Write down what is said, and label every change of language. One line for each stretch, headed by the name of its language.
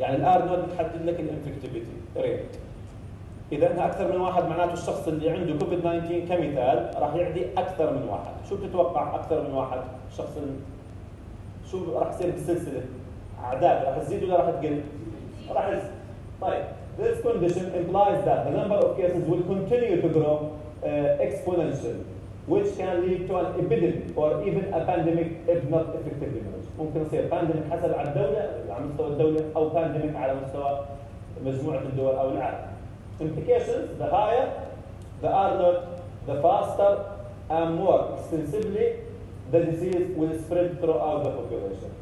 Arabic: يعني الار نود بتحدد لك الانفكتيفيتي ريت. اذا انها اكثر من واحد معناته الشخص اللي عنده كوفيد 19 كمثال راح يعدي اكثر من واحد. شو بتتوقع اكثر من واحد شخص؟ شو راح يصير بالسلسلة؟ أعداد راح تزيد ولا راح تقل؟ راح تزيد.
English: طيب, this condition implies that the number of cases will continue to grow exponentially. which can lead to an epidemic or even a pandemic if not effectively managed.
Arabic: ممكن يصير pandemic حسب على الدولة على مستوى الدولة أو pandemic على مستوى مجموعة الدول أو العالم.
English: Implications: the higher the R naught, the faster and more extensively the disease will spread throughout the population.